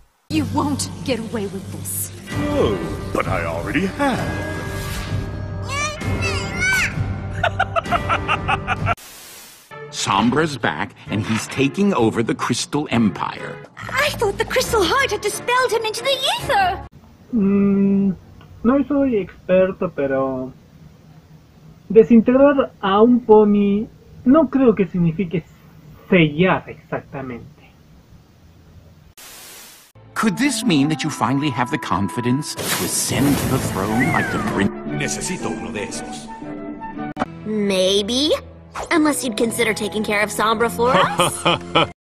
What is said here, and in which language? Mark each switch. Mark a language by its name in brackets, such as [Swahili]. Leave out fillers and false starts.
[English] You won't get away with this. No, but I already have. Sombra's back, and he's taking over the Crystal Empire. I thought the Crystal Heart had dispelled him into the ether. [Spanish] No soy experto, pero desintegrar a un pony no creo que signifique sellar exactamente. [English] Could this mean that you finally have the confidence to ascend to the throne like the prince? [Spanish] Necesito uno de esos. [English] Maybe. Unless you'd consider taking care of Sombra for us?